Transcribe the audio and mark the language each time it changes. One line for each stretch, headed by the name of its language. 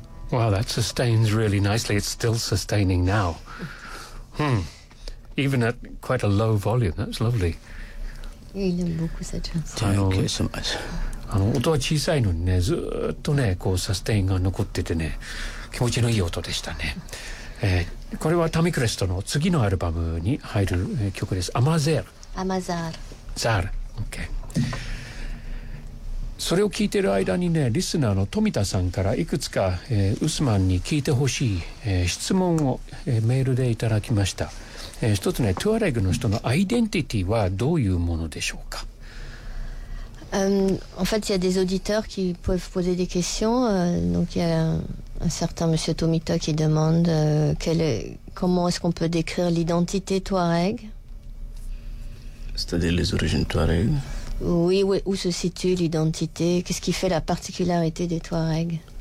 English: Wow, that sustains really nicely. It's still sustaining now. Hmm. Even at quite a low volume. That's lovely.
Japanese: いいね、僕さちゃん。あの、音は小さいのにね、ずっとね、こうサステインが残っててね、気持ちのいい音でしたね。これはタミクレストの次のアルバムに入る曲です。アマザール。それを聞いている間にね、リスナーの富田さんからいくつか、ウスマンに聞いてほしい、質問を、メールでいただきました。一つね、トゥアレグの人のアイデンティティはどういうものでしょうか。
French: En fait, il y a des auditeurs qui peuvent poser des questions. Donc, il y a un certain Monsieur Tomita qui demande comment est-ce qu'on peut décrire l'identité Touareg. C'est-à-dire les origines Touareg. Oui, où se situe l'identité? Qu'est-ce qui fait la particularité des Touareg?